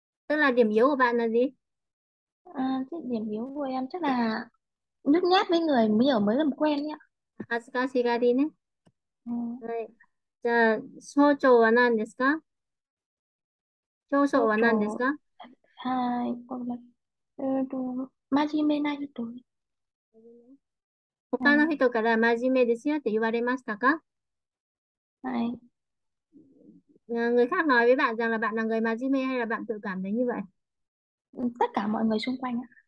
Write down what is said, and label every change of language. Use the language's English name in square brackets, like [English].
[Japanese] それは [Vietnamese] điểm yếu của bạn là gì? cái điểm yếu của em chắc là nhút nhát với người mới ở mới làm quen nhé. [Japanese] 恥ずかしがりね。はい。じゃあ、総長は何ですか？長所は何ですはか？い、これ、真面目な人。他の人から真面目ですよって言われましたか？はい。はい。 [Vietnamese] người khác nói với bạn rằng là bạn là người真面目hay là bạn tự cảm thấy như vậy? Tất cả mọi người xung quanh